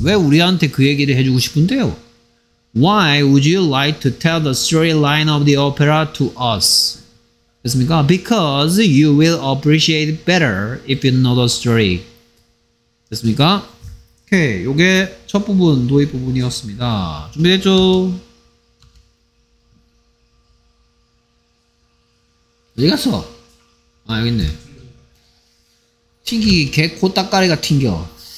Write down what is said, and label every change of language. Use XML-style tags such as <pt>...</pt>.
<ko>왜 우리한테 그 얘기를 해주고 싶은데요?</ko> <en>Why would you like to tell the storyline of the opera to us?</en> <ko>됐습니까?</ko> <en>Because you will appreciate it better if you know the story.</en> <ko>됐습니까? 오케이. 요게 첫 부분 도입 부분이었습니다. 준비됐죠? 어디 갔어? 아 여기 있네. 튕기기 개 코딱까리가 튕겨.</ko>